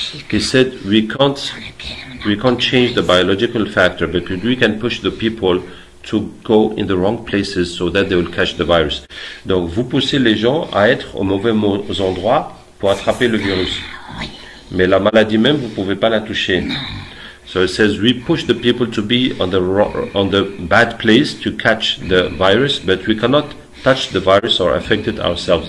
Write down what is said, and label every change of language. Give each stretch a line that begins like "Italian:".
English: He said we can't change the biological factor, because we can push the people to go in the wrong places so that they will catch the virus.
French: Donc vous poussez les gens à être au mauvais endroit pour attraper le virus. Mais la maladie même, vous pouvez pas la toucher.
English: So it says we push the people to be on the bad place to catch the virus, but we cannot touch the virus or affect it ourselves.